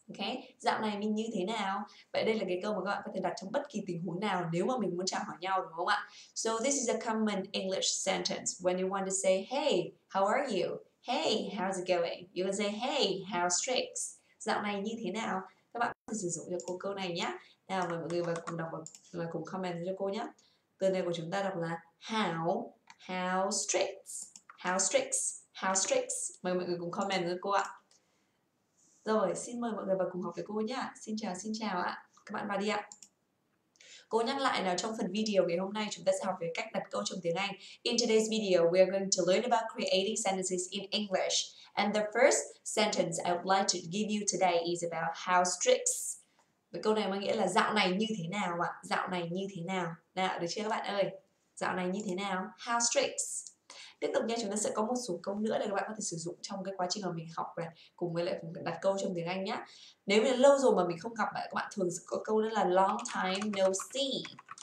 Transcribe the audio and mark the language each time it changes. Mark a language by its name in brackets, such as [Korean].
[Vietnamese] Ok, dạo này mình như thế nào? Vậy đây là cái câu mà các bạn có thể đặt trong bất kỳ tình huống nào nếu mà mình muốn chào hỏi nhau đúng không ạ? [English] So this is a common English sentence. When you want to say hey, how are you? Hey, how's it going? You can say hey, how's tricks? [Vietnamese] Dạo này như thế nào? Các bạn có thể sử dụng cho cô câu này nhé. Nào mời mọi người vào cùng đọc và cùng comment cho cô nhé. Từ này của chúng ta đọc là how's tricks. Mời mọi người cùng comment cho cô ạ. Rồi, xin mời mọi người vào cùng học với cô nhá. Xin chào ạ. Các bạn vào đi ạ. Cô nhắc lại là trong phần video ngày hôm nay chúng ta sẽ học về cách đặt câu trong tiếng Anh. [English] In today's video, we are going to learn about creating sentences in English. And the first sentence I would like to give you today is about house tricks. [Vietnamese] Và câu này có nghĩa là dạo này như thế nào ạ? Dạo này như thế nào? Nào, được chưa các bạn ơi? Dạo này như thế nào? House tricks. Tiếp tục nha, chúng ta sẽ có một số câu nữa để các bạn có thể sử dụng trong cái quá trình mà mình học này, cùng với lại cùng đặt câu trong tiếng Anh nhá. Nếu như lâu rồi mà mình không gặp, các bạn thường có câu đó là long time no see.